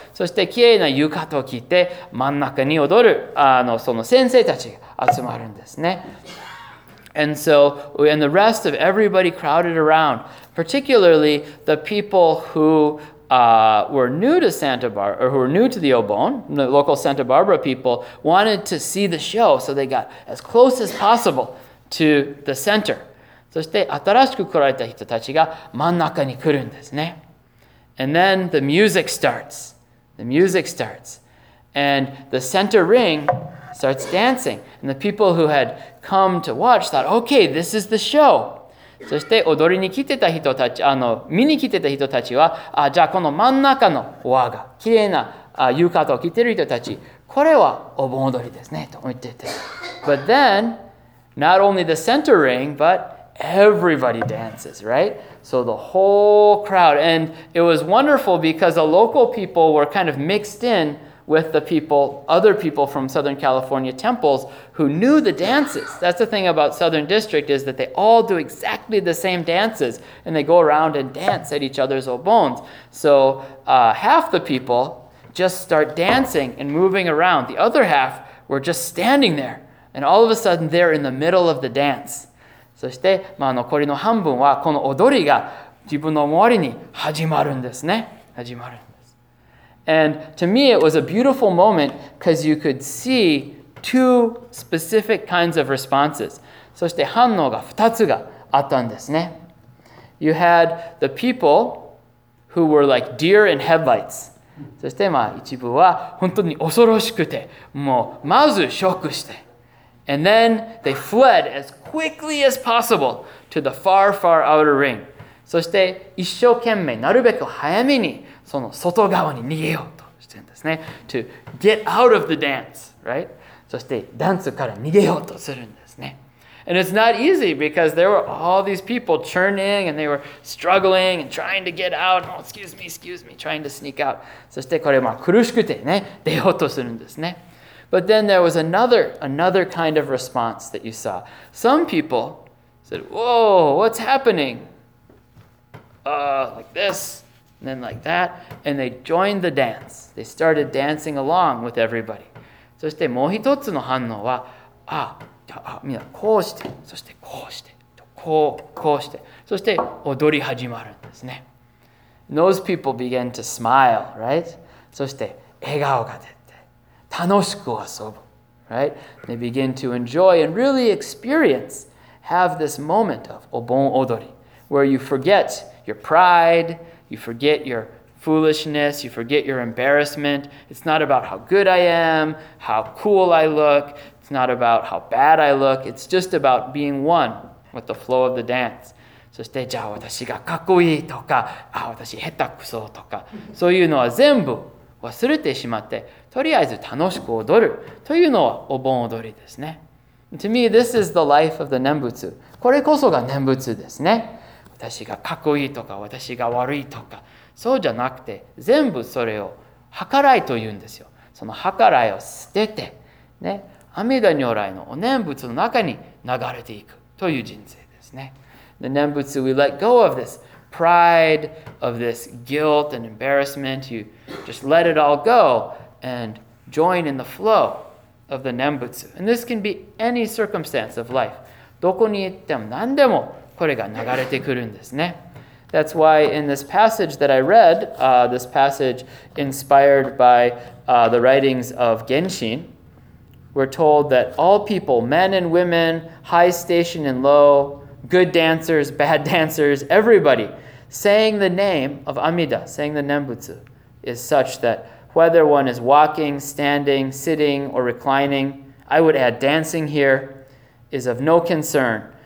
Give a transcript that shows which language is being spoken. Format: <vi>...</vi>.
<ja>そして、きれいな yukata を着て、真ん中に踊る、その先生たちが集まるんですね。</ja> <en>And so, and the rest of everybody crowded around, particularly the people who were new to Santa Barbara, or who were new to the Obon, the local Santa Barbara people, wanted to see the show, so they got as close as possible to the center.</en> <ja>そして新しく来られた人たちが真ん中に来るんですね。</ja> <en>And then the music starts. The music starts. And the center ring... starts dancing. And the people who had come to watch thought, okay, this is the show.</en> <ja>そして踊りに来てた人たち、見に来てた人たちは、あ、じゃあこの真ん中の輪が、きれいな浴衣を着てる人たち、これはお盆踊りですね、と言ってて。</ja> <en>But then, not only the center ring, but everybody dances, right? So the whole crowd, and it was wonderful because the local people were kind of mixed inwith the people, other people from Southern California temples who knew the dances. That's the thing about Southern District is that they all do exactly the same dances and they go around and dance at each other's obons. So half the people just start dancing and moving around. The other half were just standing there and all of a sudden they're in the middle of the dance.</en> <ja>そして、まあ、残りの半分はこの踊りが自分の周りに始まるんですね。始まる。</ja> <en>And to me, it was a beautiful moment because you could see two specific kinds of responses.</en> <ja>そして反応が二つがあったんですね。</ja> <en>You had the people who were like deer in headlights.</en> <ja>そしてまあ一部は本当に恐ろしくて、もうまずショックして。</ja> <en>And then they fled as quickly as possible to the far, far outer ring.</en> <ja>そして一生懸命なるべく早めにその外側に逃げようとしてるんですね。</ja> <en>To get out of the dance, right?</en> <ja>そしてダンスから逃げようとするんですね。</ja> <en>And it's not easy because there were all these people churning and they were struggling and trying to get out. Oh, excuse me, trying to sneak out.</en> <ja>そしてこれまあ苦しくてね、出ようとするんですね。</ja> <en>But then there was another kind of response that you saw. Some people said, whoa, what's happening? Like this. And then like that, and they joined the dance. They started dancing along with everybody.</en> <ja>そしてもう一つの反応は、あ、みんなこうして、そしてこうして、こうして、そして踊り始まるんですね。</ja> <en>And those people began to smile, right?</en> <ja>そして笑顔が出て、楽しく遊ぶ、</ja> <en>right? They begin to enjoy and really experience, have this moment of お盆踊り, where you forget your pride,You forget your foolishness. You forget your embarrassment. It's not about how good I am, how cool I look. It's not about how bad I look. It's just about being one with the flow of the dance.</en> <ja>そしてじゃあ私がかっこいいとか、私下手くそとか、そういうのは全部忘れてしまって、とりあえず楽しく踊るというのはお盆踊りですね。</ja> <en>And to me, this is the life of the Nembutsu.</en> <ja>これこそが Nembutsu ですね。私がかっこいいとか私が悪いとかそうじゃなくて全部それを計らいと言うんですよその計らいを捨てて、ね、阿弥陀如来のお念仏の中に流れていくという人生ですね</ja> <en>The 念仏 we let go of this pride of this guilt and embarrassment you just let it all go and join in the flow of the 念仏 and this can be any circumstance of life</en> <ja>どこに行っても何でもこれが流れてくるんですね。</ja> <en>That's why in this passage that I read, this passage inspired by the writings of Genshin, We're told that all people, men and women, high station and low, good dancers, bad dancers, everybody, saying the name of Amida, saying the Nembutsu, is such that whether one is walking, standing, sitting, or reclining, I would add dancing here, is of no concern.</en>